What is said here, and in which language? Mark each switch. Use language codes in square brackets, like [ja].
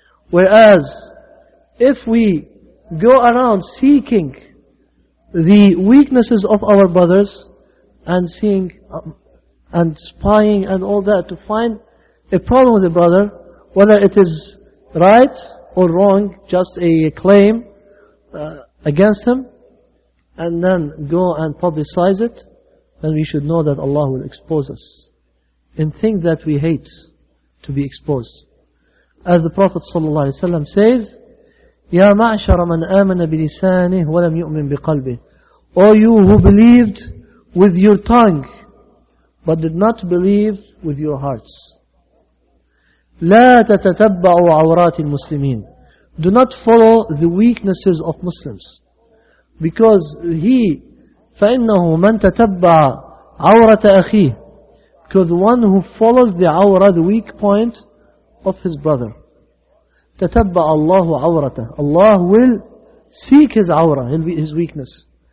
[en] Whereas, if we go around seeking the weaknesses of our brothers and seeing and spying and all that to find a problem with a brother, whether it is right or wrong, just a claim against him, and then go and publicize it, then we should know that Allah will expose us in things that we hate to be exposed. As the Prophet ﷺ says, [ar] يَا مَعْشَرَ مَنْ آمَنَ بِلِسَانِهِ وَلَمْ يُؤْمِنْ بِقَلْبِهِ. [en] O you who believed with your tongue, but did not believe with your hearts. [ar] لَا تَتَتَبَّعُوا عَوْرَاتِ الْمُسْلِمِينَ. [en] Do not follow the weaknesses of Muslims. Because he, [ar] فَإِنَّهُ مَنْ تَتَبَّعَ عَوْرَةَ أَخِيهِ. [en] Because the one who follows the awra, the weak point of his brother. [ar] تَتَبَّعَ اللَّهُ عَوْرَتَهُ. [en] Allah will seek his awra, his weakness.